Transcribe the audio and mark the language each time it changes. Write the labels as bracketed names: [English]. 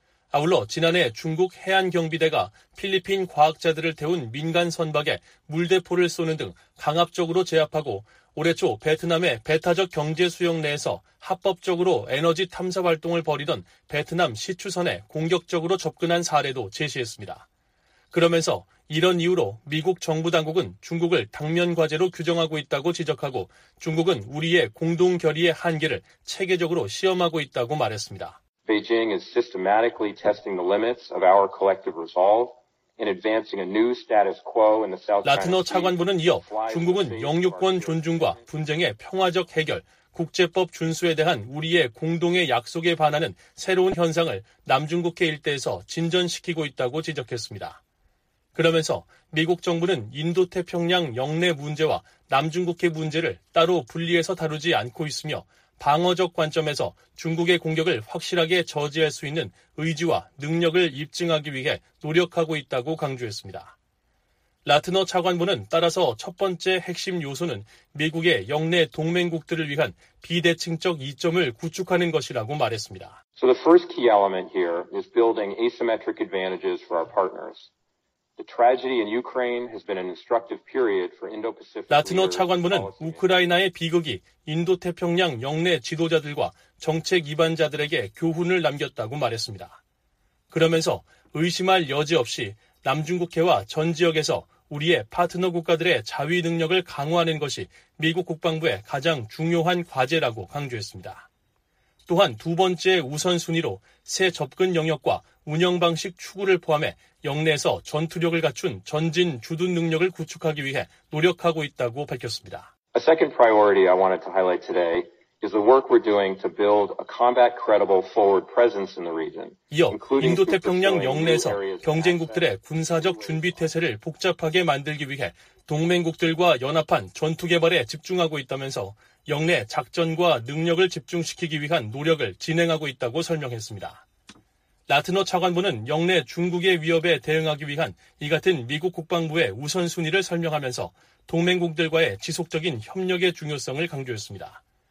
[Korean] 아울러 지난해 중국 해안경비대가 필리핀 과학자들을 태운 민간 선박에 물대포를 쏘는 등 강압적으로 제압하고 올해 초 베트남의 배타적 경제수역 내에서 합법적으로 에너지 탐사 활동을 벌이던 베트남 시추선에 공격적으로 접근한 사례도 제시했습니다. 그러면서 이런 이유로 미국 정부 당국은 중국을 당면 과제로 규정하고 있다고 지적하고 중국은 우리의 공동결의의 한계를 체계적으로 시험하고 있다고 말했습니다. [English] Beijing is systematically testing the limits of our collective resolve in advancing a new status quo in the South China. [Korean] 라트너 차관부는 이어 중국은 영유권 존중과 분쟁의 평화적 해결, 국제법 준수에 대한 우리의 공동의 약속에 반하는 새로운 현상을 남중국해 일대에서 진전시키고 있다고 지적했습니다. 그러면서 미국 정부는 인도태평양 영내 문제와 남중국해 문제를 따로 분리해서 다루지 않고 있으며 방어적 관점에서 중국의 공격을 확실하게 저지할 수 있는 의지와 능력을 입증하기 위해 노력하고 있다고 강조했습니다. 라트너 차관부는 따라서 첫 번째 핵심 요소는 미국의 영내 동맹국들을 위한 비대칭적 이점을 구축하는 것이라고 말했습니다. [English] So the first key element here is building asymmetric advantages for our partners. The tragedy in Ukraine has been an instructive period for Indo-Pacific. [Korean] 라트너 차관부는 우크라이나의 비극이 인도태평양 영내 지도자들과 정책 이반자들에게 교훈을 남겼다고 말했습니다. 그러면서 의심할 여지 없이 남중국해와 전 지역에서 우리의 파트너 국가들의 자위 능력을 강화하는 것이 미국 국방부의 가장 중요한 과제라고 강조했습니다. 또한 두 번째 우선순위로 새 접근 영역과 운영방식 추구를 포함해 영내에서 전투력을 갖춘 전진 주둔 능력을 구축하기 위해 노력하고 있다고 밝혔습니다. [English] A second priority I wanted to highlight today is the work we're doing to build a combat credible forward presence in the region. [Korean] 이어 인도태평양 영내에서 경쟁국들의 군사적 준비 태세를 복잡하게 만들기 위해 동맹국들과 연합한 전투 개발에 집중하고 있다면서 영내 작전과 능력을 집중시키기 위한 노력을 진행하고 있다고 설명했습니다. 라트너 차관부는 영내 중국의 위협에 대응하기 위한 이 같은 미국 국방부의 우선순위를 설명하면서 동맹국들과의 지속적인 협력의 중요성을 강조했습니다.